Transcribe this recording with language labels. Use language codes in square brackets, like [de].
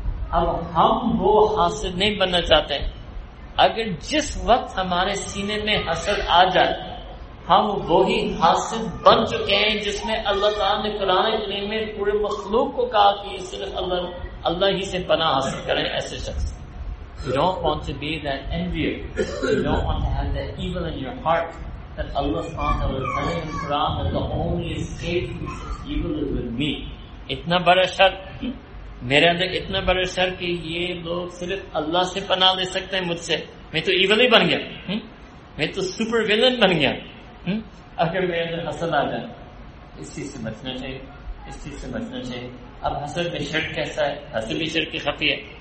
[ur] اب ہم وہ حسد نہیں بننا چاہتے. اگر جس وقت ہمارے سینے میں حسد آ جائے, ہم وہی حاسد بن چکے ہیں جس میں اللہ تعالیٰ نے قرآن کریم میں پورے مخلوق کو کہا کہ صرف اللہ ہی سے پناہ حاصل کریں ایسے شخص. [en] You don't want to be that envious. You don't want to have that evil in your heart that Allah subhanahu wa ta'ala in Quran that the only escape from such evil is with me. [ur] اتنا بڑا شر میرے اندر, اتنا بڑا شر کہ یہ لوگ صرف اللہ سے پناہ لے سکتے ہیں مجھ سے. میں تو ایول ہی بن گیا, میں تو سپر ویلن بن گیا اگر میرے اندر حسد آ جائے. اس چیز سے بچنا چاہیے, اس چیز سے بچنا چاہیے. اب حسد میں شرک کیسا ہے؟ حسد بھی شرک کی خفی ہے.